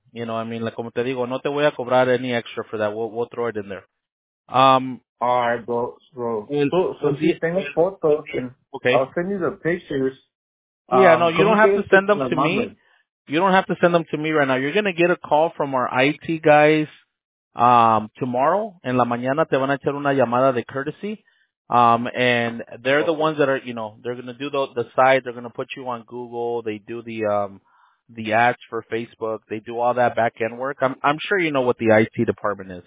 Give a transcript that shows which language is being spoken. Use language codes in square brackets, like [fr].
[en] You know, I mean, like, [es] como te digo, no te voy a cobrar [en] any extra for that. We'll throw it in there. All right, bro. So, [es] tengo fotos. [en] Okay. I'll send you the pictures. Yeah, no, you don't have to send them to me. You don't have to send them to me right now. You're going to get a call from our IT guys tomorrow. [es] En la mañana te van a echar una llamada de courtesy. [en] And they're the ones that are, you know, they're going to do the site. They're going to put you on Google. They do the ads for Facebook. They do all that back end work. I'm sure you know what the IT department is.